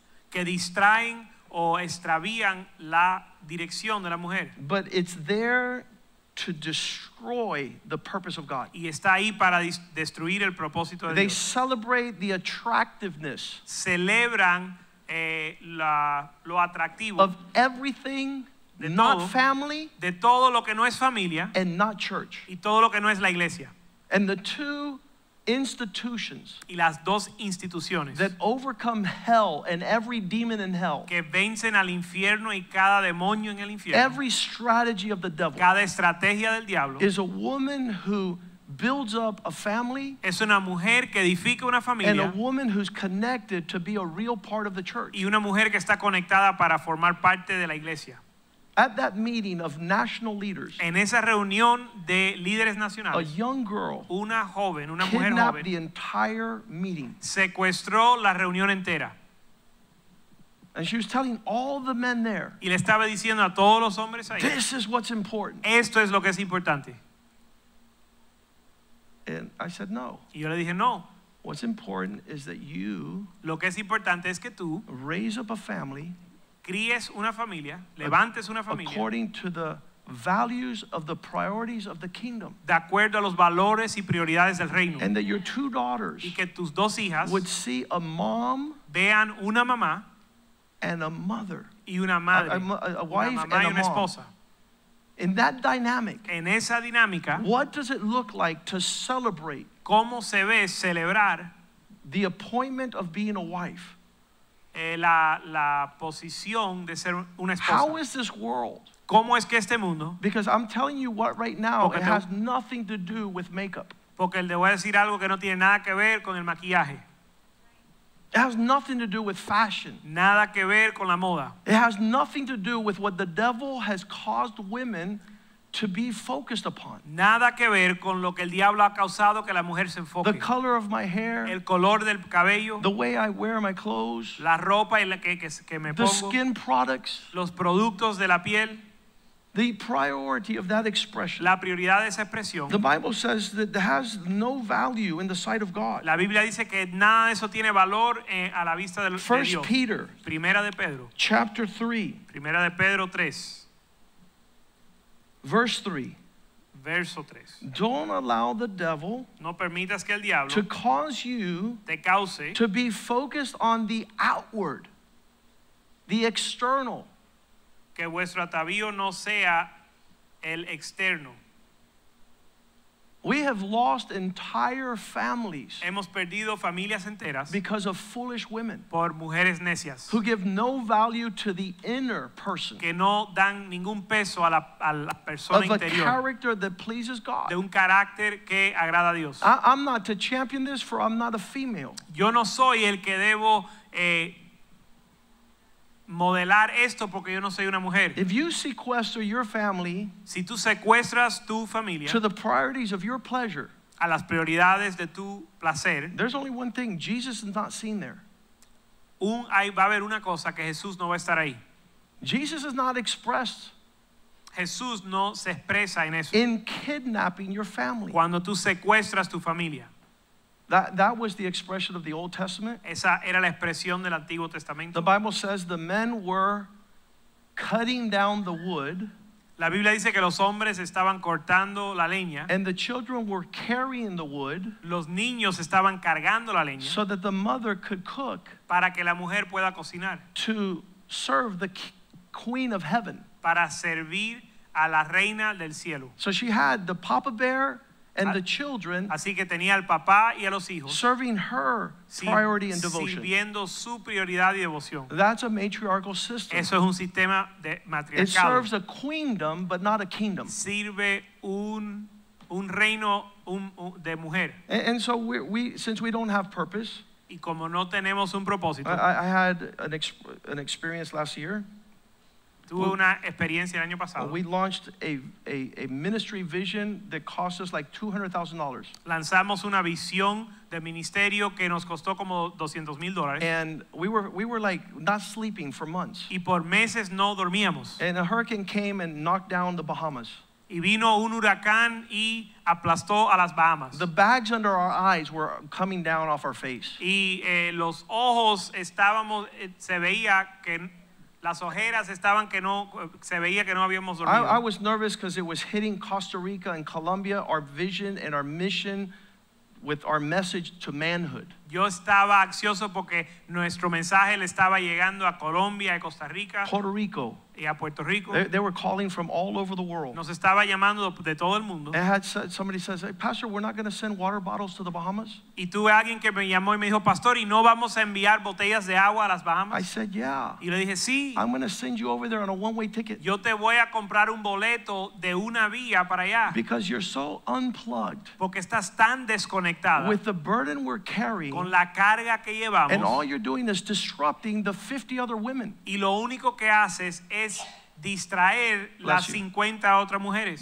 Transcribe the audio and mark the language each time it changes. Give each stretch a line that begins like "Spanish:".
Spanish: Que distraen o extravían la dirección de la mujer.
English: But it's there to destroy the purpose of God.
Spanish: Y está ahí para destruir el propósito de
English: They
Spanish: Dios.
English: They celebrate the attractiveness.
Spanish: Celebran lo atractivo.
English: Of everything. Not family,
Spanish: de todo lo que no es familia,
English: and not church,
Spanish: y todo lo que no es la iglesia,
English: and the two institutions,
Spanish: y las dos instituciones,
English: that overcome hell and every demon in hell,
Spanish: que vencen al infierno y cada demonio en el infierno,
English: every strategy of the devil,
Spanish: cada estrategia del diablo,
English: is a woman who builds up a family,
Spanish: es una mujer que edifica una familia,
English: and a woman who's connected to be a real part of the church,
Spanish: y una mujer que está conectada para formar parte de la iglesia.
English: At that meeting of national leaders,
Spanish: en esa reunión de líderes nacionales,
English: a young girl,
Spanish: una joven, una
English: kidnapped
Spanish: mujer joven,
English: the entire meeting,
Spanish: secuestró la reunión entera,
English: and she was telling all the men there,
Spanish: y le estaba diciendo a todos los hombres ahí,
English: this is what's important.
Spanish: Esto es lo que es importante.
English: And I said no.
Spanish: Y yo le dije no.
English: What's important is that you,
Spanish: lo que es importante es que tú,
English: raise up a family.
Spanish: Críes una familia, levantes una familia.
English: According to the values of the priorities of the kingdom.
Spanish: De acuerdo a los valores y prioridades del reino.
English: And that your two daughters,
Spanish: y que tus dos hijas,
English: would see a mom,
Spanish: vean una mamá,
English: and a mother,
Spanish: y una madre,
English: a wife
Spanish: una mamá
English: and
Spanish: y una esposa.
English: In that dynamic,
Spanish: en esa dinámica,
English: what does it look like to celebrate?
Spanish: ¿Cómo se ve celebrar
English: the appointment of being a wife?
Spanish: La posición de ser una esposa.
English: How is this world?
Spanish: ¿Cómo es que este mundo?
English: Because I'm telling you what right now,
Spanish: porque
English: it has nothing to do with makeup.
Spanish: Porque le voy a decir algo que no tiene nada que ver con el maquillaje.
English: It has nothing to do with fashion.
Spanish: Nada que ver con la moda.
English: It has nothing to do with what the devil has caused women to be focused upon.
Spanish: Nada que ver con lo que el diablo ha causado que la mujer se enfoque.
English: The color of my hair.
Spanish: El color del cabello.
English: The way I wear my clothes.
Spanish: La ropa en la que me pongo.
English: The skin products.
Spanish: Los productos de la piel.
English: The priority of that expression.
Spanish: La prioridad de esa expresión.
English: The Bible says that it has no value in the sight of God.
Spanish: La Biblia dice que nada de eso tiene valor a la vista de Dios.
English: First Peter.
Spanish: Primera de Pedro.
English: Chapter 3.
Spanish: Primera de Pedro 3.
English: Verse 3. Don't allow the devil,
Spanish: no permitas que el diablo,
English: to cause you,
Spanish: te cause,
English: to be focused on the outward, the external,
Spanish: que vuestro atavío no sea el externo.
English: We have lost entire families.
Spanish: Hemos perdido familias enteras
English: because of foolish women.
Spanish: Por mujeres necias.
English: Who give no value to the inner person.
Spanish: Que no dan ningún peso a la persona
English: of
Spanish: interior.
English: Of a character that pleases God.
Spanish: De un carácter que agrada a Dios.
English: I'm not to champion this, for I'm not a female.
Spanish: Yo no soy el que debo modelar esto porque yo no soy una mujer.
English: If you sequester your family,
Spanish: si tú secuestras tu familia,
English: to the priorities of your pleasure,
Spanish: a las prioridades de tu placer,
English: there's only one thing, Jesus is not seen there.
Spanish: Va a haber una cosa que Jesús no va a estar ahí.
English: Jesus is not expressed.
Spanish: Jesús no se expresa en eso.
English: In kidnapping your family.
Spanish: Cuando tú secuestras tu familia.
English: That was the expression of the Old Testament.
Spanish: Esa era la expresión del Antiguo Testamento.
English: The Bible says the men were cutting down the wood.
Spanish: La Biblia dice que los hombres estaban cortando la leña.
English: And the children were carrying the wood.
Spanish: Los niños estaban cargando la leña.
English: So that the mother could cook.
Spanish: Para que la mujer pueda cocinar.
English: To serve the queen of heaven.
Spanish: Para servir a la reina del cielo.
English: So she had the papa bear and the children,
Spanish: así que tenía al papá y a los hijos,
English: serving her priority and devotion,
Spanish: sirviendo su prioridad y devoción.
English: That's a matriarchal system.
Spanish: Eso es un sistema de matriarcal.
English: It serves a queendom, but not a kingdom.
Spanish: Sirve un reino de mujer.
English: And so we since we don't have purpose,
Spanish: y como no tenemos un propósito,
English: I had an experience last year.
Spanish: Tuve una experiencia el año pasado.
English: We launched a ministry vision that cost us like $200,000.
Spanish: Lanzamos una visión de ministerio que nos costó como $200,000.
English: And we were like not sleeping for months.
Spanish: Y por meses no dormíamos.
English: And a hurricane came and knocked down the Bahamas.
Spanish: Y vino un huracán y aplastó a las Bahamas.
English: The bags under our eyes were coming down off our face.
Spanish: Y los ojos estábamos, se veía que las ojeras estaban que no se veía que no habíamos dormido.
English: I was nervous because it was hitting Costa Rica and Colombia, our vision and our mission with our message to manhood.
Spanish: Yo estaba ansioso porque nuestro mensaje le estaba llegando a Colombia y Costa Rica.
English: Puerto Rico.
Spanish: Y a Puerto Rico.
English: They were calling from all over the world.
Spanish: Nos estaba llamando de todo el mundo.
English: Somebody says, hey, Pastor, we're not going to send water bottles to the Bahamas.
Spanish: Y tuve alguien que me llamó y me dijo, Pastor, ¿y no vamos a enviar botellas de agua a las Bahamas?
English: I said, yeah.
Spanish: Y le dije, sí.
English: I'm going to send you over there on a one-way ticket.
Spanish: Yo te voy a comprar un boleto de una vía para allá.
English: Because you're so unplugged.
Spanish: Porque estás tan desconectada.
English: With the burden we're carrying.
Spanish: Con la carga que llevamos.
English: And all you're doing is disrupting the 50 other women.
Spanish: Y lo único que haces es distraer las 50 otras mujeres.